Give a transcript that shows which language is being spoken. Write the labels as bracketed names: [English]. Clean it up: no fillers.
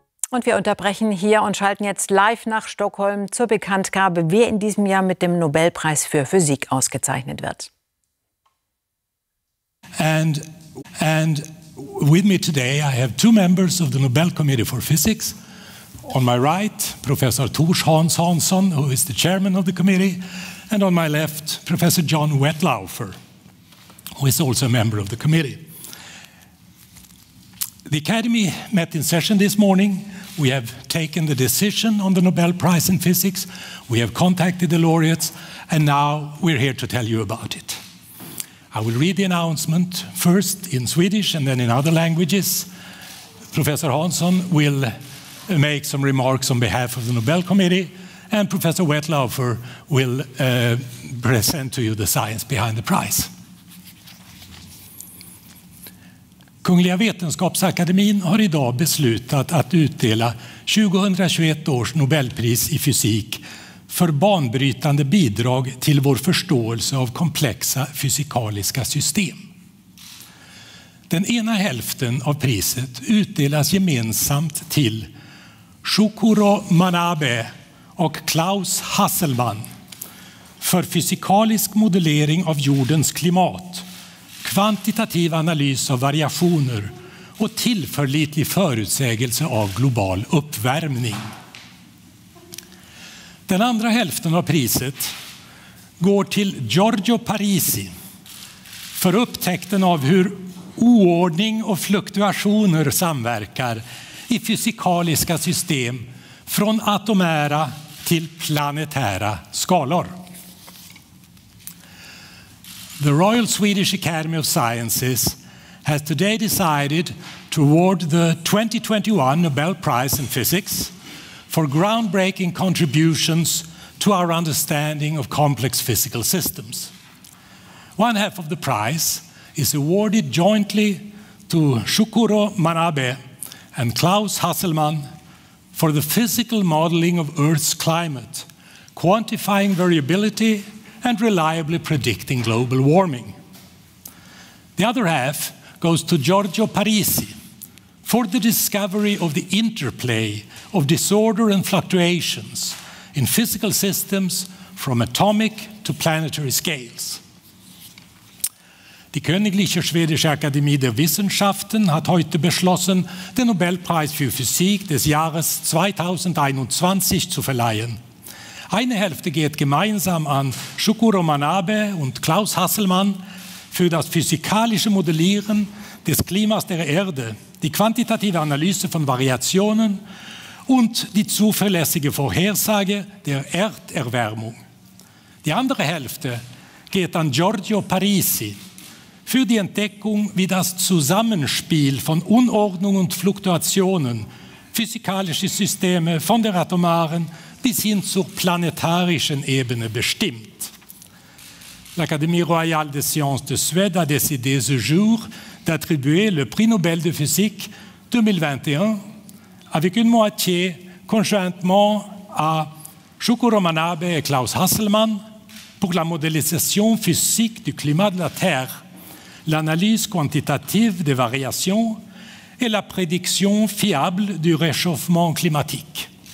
[German] Und wir unterbrechen hier und schalten jetzt live nach Stockholm zur Bekanntgabe, wer in diesem Jahr mit dem Nobelpreis für Physik ausgezeichnet wird. [English] And with me today I have two members of the Nobel Committee for Physics. On my right, Professor Tuusch Hans Hansson, who is the chairman of the committee, and on my left, Professor John Wettlaufer, who is also a member of the committee. The Academy met in session this morning. We have taken the decision on the Nobel Prize in Physics. We have contacted the laureates, and now we're here to tell you about it. I will read the announcement first in Swedish and then in other languages. Professor Hansson will make some remarks on behalf of the Nobel Committee, and Professor Wettlaufer will present to you the science behind the prize. [Swedish] Kungliga Vetenskapsakademien har idag beslutat att utdela 2021 års Nobelpris i fysik för banbrytande bidrag till vår förståelse av komplexa fysikaliska system. Den ena hälften av priset utdelas gemensamt till Shukuro Manabe och Klaus Hasselmann för fysikalisk modellering av jordens klimat, kvantitativ analys av variationer och tillförlitlig förutsägelse av global uppvärmning. Den andra hälften av priset går till Giorgio Parisi för upptäckten av hur oordning och fluktuationer samverkar i fysikaliska system från atomära till planetära skalor. [English] The Royal Swedish Academy of Sciences has today decided to award the 2021 Nobel Prize in Physics for groundbreaking contributions to our understanding of complex physical systems. One half of the prize is awarded jointly to Shukuro Manabe and Klaus Hasselmann for the physical modeling of Earth's climate, quantifying variability and reliably predicting global warming. The other half goes to Giorgio Parisi for the discovery of the interplay of disorder and fluctuations in physical systems from atomic to planetary scales. [German] Die Königliche Schwedische Akademie der Wissenschaften hat heute beschlossen, den Nobelpreis für Physik des Jahres 2021 zu verleihen. Eine Hälfte geht gemeinsam an Shukuro Manabe und Klaus Hasselmann für das physikalische Modellieren des Klimas der Erde, die quantitative Analyse von Variationen und die zuverlässige Vorhersage der Erderwärmung. Die andere Hälfte geht an Giorgio Parisi für die Entdeckung, wie das Zusammenspiel von Unordnung und Fluktuationen, physikalische Systeme von der atomaren bis hin zur planetarischen Ebene bestimmt. [French] L'Académie Royale des Sciences de Suède a décidé ce jour d'attribuer le prix Nobel de physique 2021 avec une moitié conjointement à Shukuro Manabe et Klaus Hasselmann pour la modélisation physique du climat de la Terre, l'analyse quantitative des variations et la prédiction fiable du réchauffement climatique.